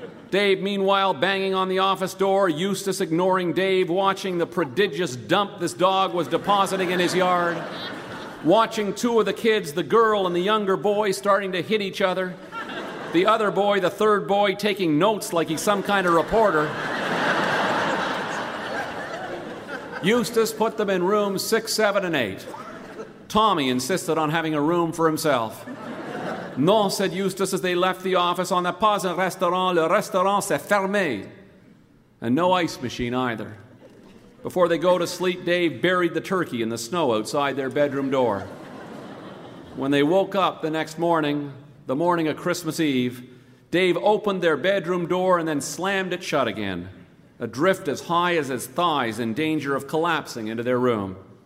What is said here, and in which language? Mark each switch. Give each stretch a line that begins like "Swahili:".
English: Dave, meanwhile, banging on the office door, Eustace ignoring Dave, watching the prodigious dump this dog was depositing in his yard, watching 2 of the kids, the girl and the younger boy, starting to hit each other, the other boy, the third boy, taking notes like he's some kind of reporter. Eustace put them in rooms 6, 7, and 8. Tommy insisted on having a room for himself. Non, said Eustace as they left the office.
French: On n'a pas un restaurant, le restaurant s'est fermé.
English: And no ice machine either. Before they go to sleep, Dave buried the turkey in the snow outside their bedroom door. When they woke up the next morning, the morning of Christmas Eve, Dave opened their bedroom door and then slammed it shut again, adrift as high as his thighs in danger of collapsing into their room.